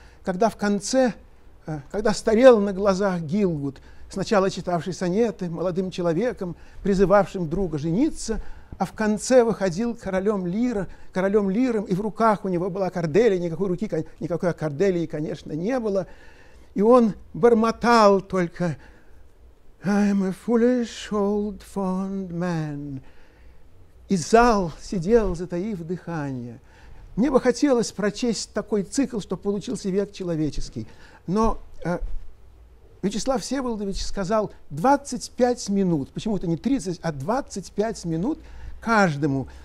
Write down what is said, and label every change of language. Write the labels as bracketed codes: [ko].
[ru] Когда в конце, когда старел на глазах Гилгуд, сначала читавший сонеты молодым человеком, призывавшим друга жениться, а в конце выходил королем лиром, и в руках у него была корделия, никакой корделии, конечно, не было. И он бормотал только: [en] «I'm a foolish old fond man». [ru] И зал сидел, затаив дыхание. Мне бы хотелось прочесть такой цикл, чтобы получился «Век человеческий». Но Вячеслав Всеволодович сказал 25 минут, почему-то не 30, а 25 минут каждому.